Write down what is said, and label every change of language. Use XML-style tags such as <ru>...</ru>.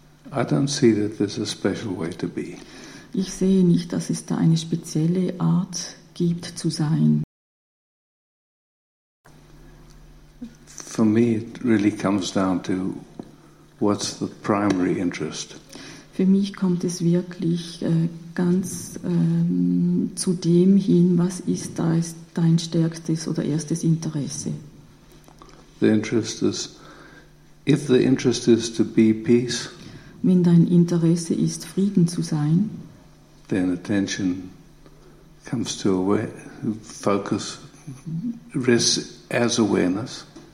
<en>I don't see that there's a special way to be.</en> <de>Ich sehe nicht, dass es da eine spezielle Art gibt zu sein.</de> <en>For me, it really comes down to what's the primary interest.</en> <de>Für mich kommt es wirklich ganz zu dem hin, was ist da ist dein stärkstes oder erstes Interesse.</de> <en>The interest is, if the interest is to be peace,</en> <de>wenn dein Interesse ist, Frieden zu sein,</de> <en>then attention comes to focus, rests as awareness.</en>